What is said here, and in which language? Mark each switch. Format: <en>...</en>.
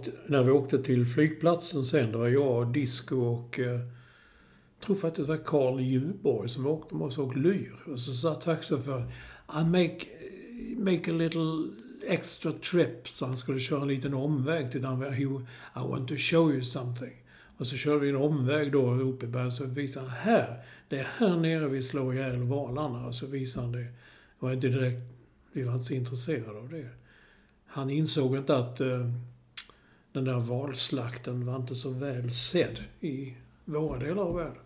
<sv>När vi åkte till flygplatsen sen, det var jag och Disco och jag tror faktiskt det var Carl Ljuborg som åkte med oss och Lyr.</sv> <en>Och så sa taxichauffören, I make a little extra trip.</en> <sv>Så han skulle köra en liten omväg till Danmark.</sv> <en>I want to show you something.</en> <sv>Och så körde vi en omväg då uppe i bergen. Så visade han, här, det är här nere vi slår ihjäl valarna. Och så visade han det. Det var inte direkt, vi var inte så intresserade av det. Han insåg inte att den där valslakten var inte så väl sedd i våra delar av världen.</sv>